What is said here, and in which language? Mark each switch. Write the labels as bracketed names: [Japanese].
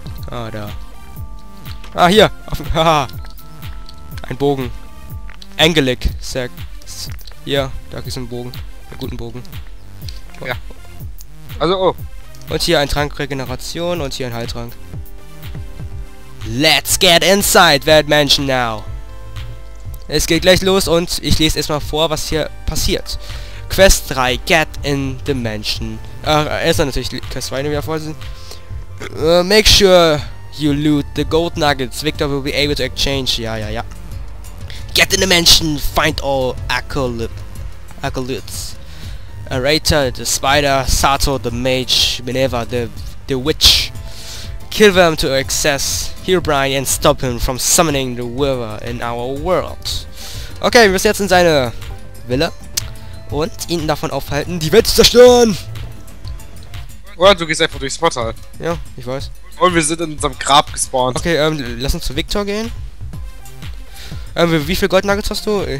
[German] Ah, da. Ah, hier! Haha! Ein Bogen. Angelic, Sack. Ja, da ist ein Bogen. Einen guten Bogen. Oh. Ja. Also, oh. Und hier ein Trank Regeneration und hier ein Heiltrank. [English] Let's get inside that mansion now. [German] Es geht gleich los und ich lese erstmal vor, was hier passiert. [English] Quest 3, get in the mansion. [German] Erst dann natürlich Quest 2, wie wir vorher sind. [English] Make sure you loot the gold nuggets. Victor will be able to exchange. [German] Ja, ja, ja. [English] Get in the mansion, find all acolytes. Arata, the spider, Sato, the mage, Minerva, the witch. Kill them to access Herobrine and stop him from summoning the weaver in our world. [German] Okay, wir müssen jetzt in seine Villa und ihn davon aufhalten, die Welt zu zerstören! Oder du gehst einfach durchs Portal. Ja, ich weiß. Und wir sind in unserem Grab gespawnt. Okay, lass uns zu Victor gehen. Wie viel Goldnuggets hast du?